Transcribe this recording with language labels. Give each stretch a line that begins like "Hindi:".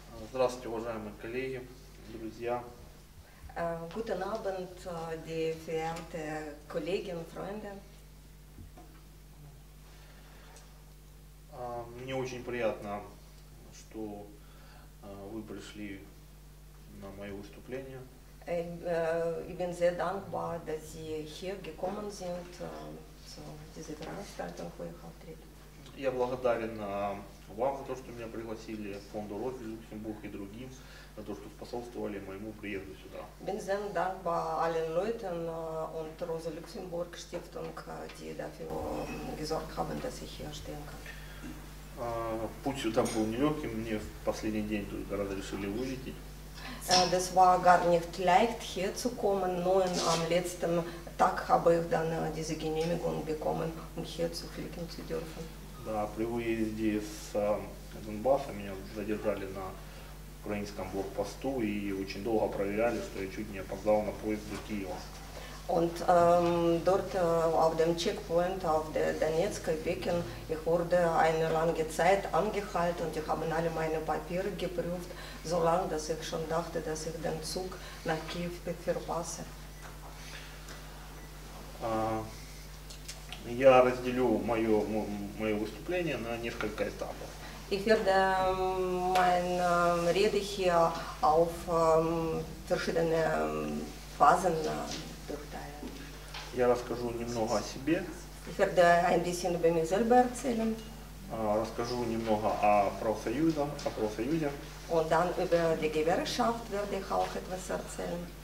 Russian: Здравствуйте, уважаемые коллеги, друзья.
German: Guten Abend, die verehrte Kollegin, Freunde.
Russian: Мне очень приятно, что вы пришли на мое выступление.
German: Ich bin sehr dankbar, dass Sie hier gekommen sind, zu dieser Veranstaltung, wo ich auftrete.
Russian: Я благодарен вам за то, что меня пригласили, фонду Розы Люксембург и другим, за то, что способствовали моему приезду сюда.
German: Bin sehr dankbar allen Leuten und Rosa Luxemburg Stiftung, die dafür gesorgt haben, dass ich hier stehen kann.
Russian: Путь сюда был нелегким, мне в последний день тут города решили вылететь.
German: Das war gar nicht leicht hier zu kommen, nur am letzten Tag habe ich dann diese Genehmigung bekommen, um hier zu fliegen zu dürfen.
Russian: Да, при выезде с Донбасса меня задержали на украинском блокпосту и очень долго проверяли, что я чуть не опоздал на поезд до Киева.
German: Und dort auf dem Checkpoint auf der Donetsker Becken, ich wurde eine lange Zeit angehalten und die haben alle meine Papiere geprüft, so lange, dass ich schon dachte, dass ich den Zug nach Kiew verpasse.
Russian: Я разделю мое выступление на несколько этапов.
German: Ich werde meine Rede hier auf verschiedene Phasen durchteilen.
Russian: Я расскажу немного о себе.
German: Ich werde ein bisschen über mich selber erzählen.
Russian: Расскажу немного о профсоюзе,
German: Und dann über die Gewerkschaft werde ich auch etwas erzählen.